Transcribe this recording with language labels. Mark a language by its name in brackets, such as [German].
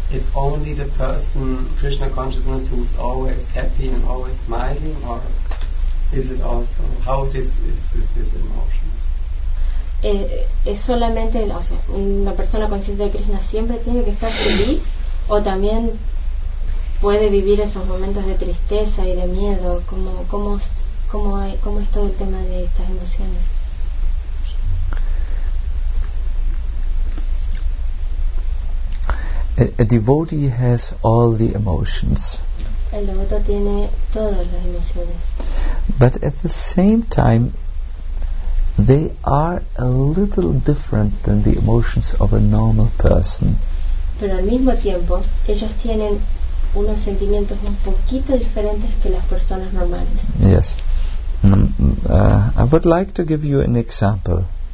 [English] Is only the person Krishna consciousness who is always happy and always smiling, or is it also how this emotion? [Spanish] Es solamente, o sea, una persona consciente de Krishna siempre tiene que estar feliz, o también puede vivir esos momentos de tristeza y de miedo. ¿Cómo es todo el tema de estas emociones? [English] A devotee has all the emotions. [Spanish] El devoto tiene todas las emociones. [English] But at the same time, they are a little different than the emotions of a normal person. [Spanish] Pero al mismo tiempo, ellos tienen unos sentimientos un poquito diferentes que las personas normales. [English] Yes. I would like to give you an example.